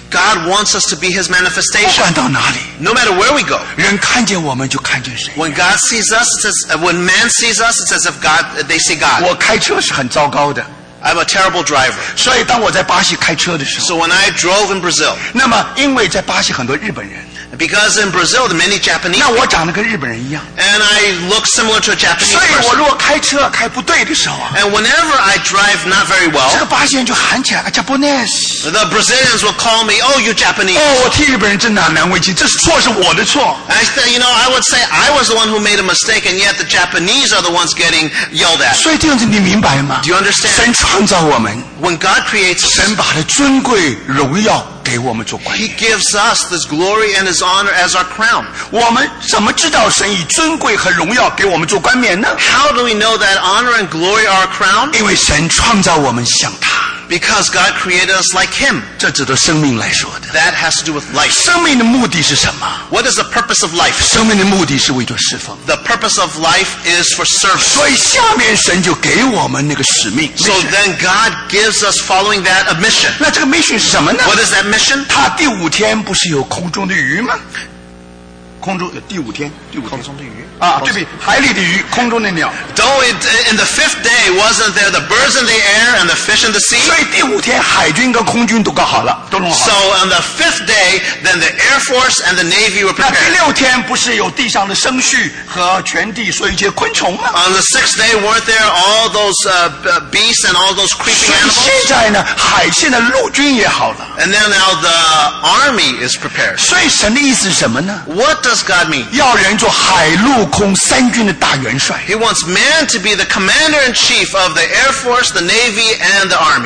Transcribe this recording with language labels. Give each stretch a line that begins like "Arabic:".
English: God wants us to be His manifestation.
Chinese: 不管到哪里
English: ，No matter where we go，
Chinese: 人看见我们就看见谁。
English: When God sees us, it says when man sees us, it says if God they see God.
Chinese: 我开车是很糟糕的。
English: I'm a terrible driver.
Chinese: 所以当我在巴西开车的时候
English: ，So when I drove in Brazil，
Chinese: 那么因为在巴西很多日本人。
English: Because in Brazil, there are many Japanese.
Chinese: 那我长得跟日本人一样。
English: And I look similar to a Japanese person.
Chinese: 所以我如果开车开不对的时候啊。
English: And whenever I drive not very well.
Chinese: 这个巴西人就喊起来 ，Japanese.
English: The Brazilians will call me, "Oh, you Japanese."
Chinese: 哦，我替日本人真的难为情，这是错是我的错。
English: I said, you know, I would say I was the one who made a mistake, and yet the Japanese are the ones getting yelled at.
Chinese: 所以这样子你明白吗
English: ？Do you understand?
Chinese: 神创造我们。
English: When God creates.
Chinese: 神把他尊贵荣耀。给我们做冠冕。
English: He gives us this glory and his honor as our crown.
Chinese: 我们怎么知道神以尊贵和荣耀给我们做冠冕呢
English: ？How do we know that honor and glory are our crown?
Chinese: 因为神创造我们像他。
English: Because God created us like Him.
Chinese: 这指的生命来说的。
English: That has to do with life.
Chinese: 生命的目的是什么
English: ？What is the purpose of life?
Chinese: 生命的目的是为着侍奉。
English: The purpose of life is for service.
Chinese: 所以下面神就给我们那个使命。
English: So then God gives us following that a mission.
Chinese: 那这个 mission 是什么呢
English: ？What is that mission?
Chinese: 他第五天不是有空中的鱼吗？空中第五天，第五天空中的鱼啊，对不起，海里的鱼，空中的鸟。
English: Don't in the fifth day wasn't there the birds in the air and the fish in the sea?
Chinese: 所以第五天海军跟空军都搞好了，都弄好了。
English: So on the fifth day, then the Air Force and the Navy were prepared.
Chinese: 那第六天不是有地上的牲畜和全地所有一些昆虫吗
English: ？On the sixth day, weren't there all those beasts and all those creeping animals?
Chinese: 所以现在呢，海现在陆军也好了。
English: And then now the army is prepared.
Chinese: 所以神的意思是什么呢
English: ？What does God mean?
Chinese: 要人做海陆空三军的大元帅。
English: He wants man to be the commander in chief of the Air Force, the Navy, and the Army.